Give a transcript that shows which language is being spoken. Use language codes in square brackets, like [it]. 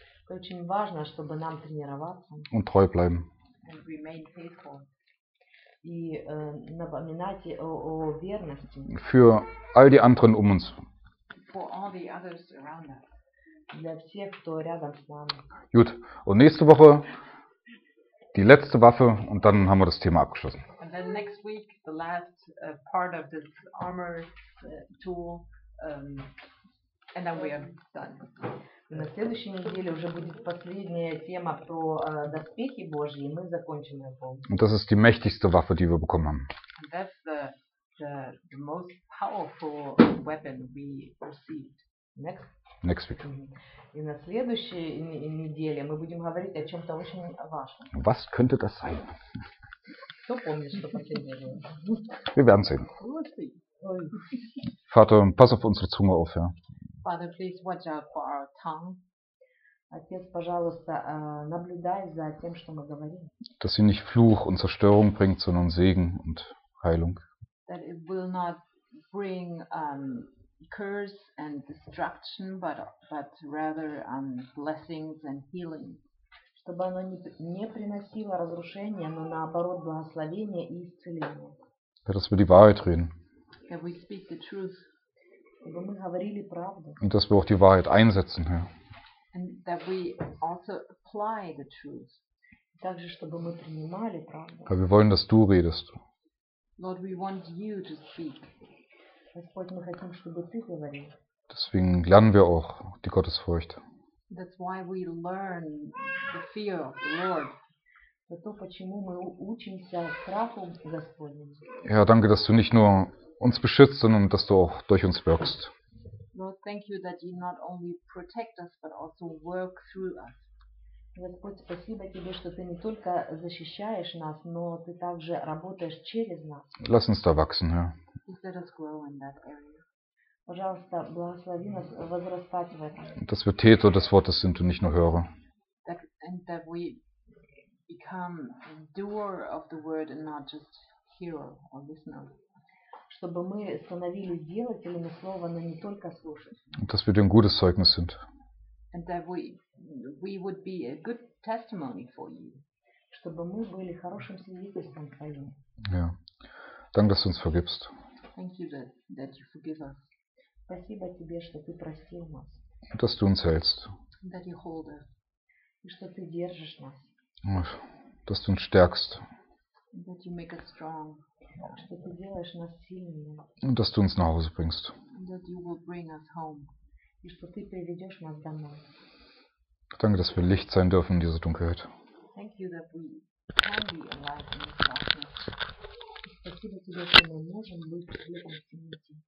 [ru] Очень важно, чтобы нам тренироваться. [de] Und treu bleiben. [en] And remain faithful. [ru] И напоминать о верности. [de] Für all die anderen um uns. [en] For all the others around us. [ru] Для всех, кто рядом с нами. [de] Gut. Und nächste Woche die letzte Waffe und dann haben wir das Thema abgeschlossen. [en] And then next week the last part of this armor tool and then we are done. [ru] И на следующей неделе уже будет последняя тема про доспехи Божьи, и мы закончим ее полностью. [de] Und das ist die mächtigste Waffe, die wir bekommen haben. [en] And that's the most powerful weapon we received. Next week. [ru] И на следующей неделе мы будем говорить о чем-то очень важном. [de] Was könnte das sein? [ru] Кто помнит, что последнее было? [de] Wir werden sehen. Vater, pass auf unsere Zunge auf, ja. [en] Father, please watch out for our tongue. [ru] Отец, пожалуйста, наблюдай за тем, что мы говорим. [de] Dass sie nicht Fluch und Zerstörung bringt, sondern Segen und Heilung. [en] That it will not bring curse and destruction, but rather on blessings and healing. [ru] Чтобы оно не приносило разрушения, но наоборот благословения и исцеления. [de] Dass wir die Wahrheit reden. [en] That we speak the truth. [ru] Чтобы мы говорили правду. [de] Und dass wir auch die Wahrheit einsetzen, Herr. [en] And that we also apply the truth. [ru] Также, чтобы мы принимали правду. [de] Aber wir wollen, dass du redest. [en] Lord, we want you to speak. [ru] Господь, мы хотим, чтобы ты говорил. [de] Deswegen lernen wir auch die Gottesfurcht. [en] That's why we learn the fear of the Lord. [ru] За то, почему мы учимся страху Господню. [de] Herr, danke, dass du nicht nur uns beschützt, sondern dass du auch durch uns wirkst. [en] Lord, thank you that you not only protect us, but also work through us. [ru] Господь, спасибо тебе, что ты не только защищаешь нас, но ты также работаешь через нас. [de] Lass uns da wachsen, Herr. [en] Let us grow in that area. [ru] Пожалуйста, благослови нас возрастать в этом. [de] Dass wir Täter des Wortes sind und nicht nur Hörer. [en] That we become doer of the word and not just hearer or listener. [ru] Чтобы мы становились делателями слова, но не только слушателями. [de] Dass wir ein gutes Zeugnis sind. [en] And that we would be a good testimony for you. [ru] Чтобы мы были хорошим свидетельством твоим. [de] Ja. Danke, dass du uns vergibst. [en] Thank you that you forgive us. [ru] Спасибо тебе, что ты простил нас. [de] Dass du uns hältst. [en] That you hold us. [ru] И что ты держишь нас. [de] Dass du uns stärkst. [en] That you make us strong. [ru] Что ты делаешь нас сильными. [de] Und dass du uns nach Hause bringst. [en] That you will bring us home. [ru] И что ты приведешь нас домой. [de] Danke, dass wir Licht sein dürfen in dieser Dunkelheit. [en] Thank you that we can be alive in this darkness. [ru] Спасибо тебе, что мы можем быть в этом темноте.